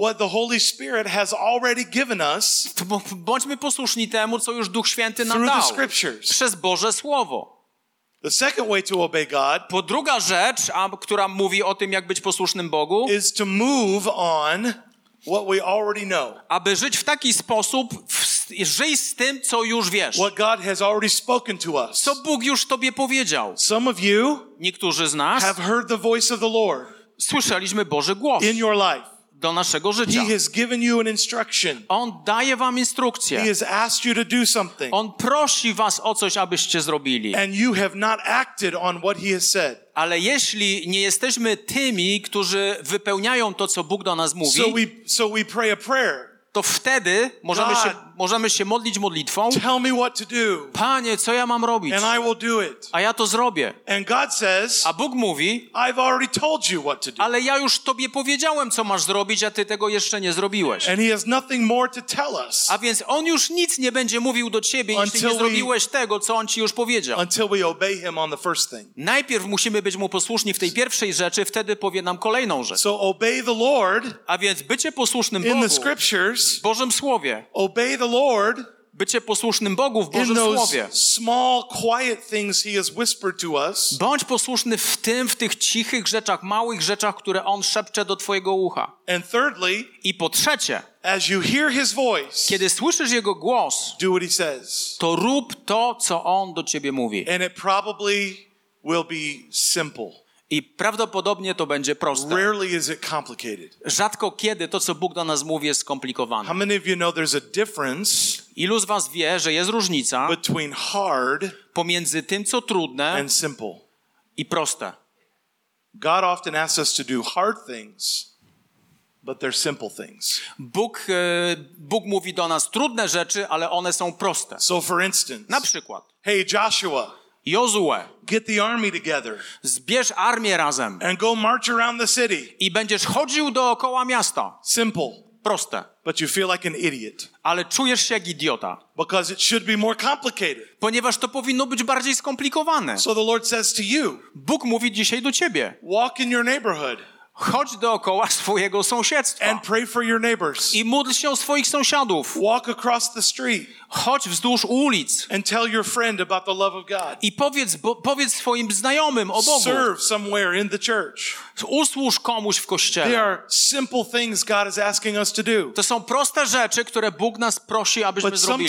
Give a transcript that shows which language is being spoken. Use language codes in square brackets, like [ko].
[en] What the Holy Spirit has already given us. [pl] Bądźmy posłuszni temu, co już Duch Święty nam dał. [en] Through the scriptures. [pl] Przez Boże Słowo. [en] The second way to obey God, [pl] po druga rzecz, która mówi o tym, jak być posłusznym Bogu, [en] is to move on what we already know. [pl] Aby żyć w taki sposób, żyj z tym, co już wiesz. [en] What God has already spoken to us. [pl] Co Bóg już tobie powiedział. [en] Some of you, [pl] niektórzy z nas, [en] have heard the voice of the Lord. [pl] Słyszeliśmy Boży głos. [en] In your life. [pl] Do naszego życia. [en] He has given you an instruction. [pl] On daje wam instrukcję. [en] He has asked you to do something. [pl] On prosi was o coś, abyście zrobili. [en] And you have not acted on what he has said. [pl] Ale jeśli nie jesteśmy tymi, którzy wypełniają to, co Bóg do nas mówi, [en] so we pray a prayer. [pl] To wtedy możemy się modlić modlitwą. [en] Tell me what to do. [pl] Panie, co ja mam robić? [en] And I will do it. [pl] A ja to zrobię. [en] And God says, [pl] a Bóg mówi, [en] I've already told you what to do. [pl] Ale ja już tobie powiedziałem, co masz zrobić, a ty tego jeszcze nie zrobiłeś. [en] And he has nothing more to tell us. [pl] A więc on już nic nie będzie mówił do ciebie, jeśli nie zrobiłeś tego, co on ci już powiedział. [en] Until we obey him on the first thing. [pl] Najpierw musimy być mu posłuszni w tej pierwszej rzeczy, wtedy powie nam kolejną rzecz. [en] So obey the Lord, [pl] a więc bycie posłusznym [en] in [pl] Bogu [en] the scriptures, [pl] w Bożym Słowie. [en] Obey the Lord. [pl] Bycie posłusznym Bogu w Bożym Słowie. [en] Small, quiet things he has whispered to us. [pl] Bądź posłuszny w tym, w tych cichych rzeczach, małych rzeczach, które on szepcze do twojego ucha. [en] And thirdly, [pl] i po trzecie, [en] as you hear his voice, [pl] kiedy słyszysz jego głos, [en] do what he says. [pl] To rób to, co on do ciebie mówi. [en] And it probably will be simple. [pl] I prawdopodobnie to będzie proste. [en] Rarely is it complicated. [pl] Rzadko kiedy to, co Bóg do nas mówi, jest skomplikowane. [en] How many of you know there's a difference? [pl] Ilu z was wie, że jest różnica [en] between hard [pl] pomiędzy tym, co trudne [en] and simple. [pl] I proste. [en] God often asks us to do hard things, but they're simple things. [pl] Bóg mówi do nas trudne rzeczy, ale one są proste. [en] So for instance, [pl] na przykład, [en] hey Joshua, [pl] Jozue, [en] get the army together. [pl] Zbierz armię razem. [en] And go march around the city. [pl] I będziesz chodził dookoła miasta. [en] Simple. [pl] Proste. [en] But you feel like an idiot. [pl] Ale czujesz się jak idiota. [en] Because it should be more complicated. [pl] Ponieważ to powinno być bardziej skomplikowane. [en] So the Lord says to you. [pl] Bóg mówi dzisiaj do ciebie. [en] Walk in your neighborhood. [pl] Chodź dookoła swojego sąsiedztwa. [en] And pray for your neighbors. [pl] I módl się o swoich sąsiadów. [en] Walk across the street. [pl] Chodź wzdłuż ulic. [en] And tell your friend about the love of God. [pl] I powiedz swoim znajomym o Bogu. [en] Serve somewhere in the church. [pl] Usłuż komuś w kościele. [en] There are simple things God is asking us to do. [pl] To są proste rzeczy, które Bóg nas prosi, abyśmy zrobili.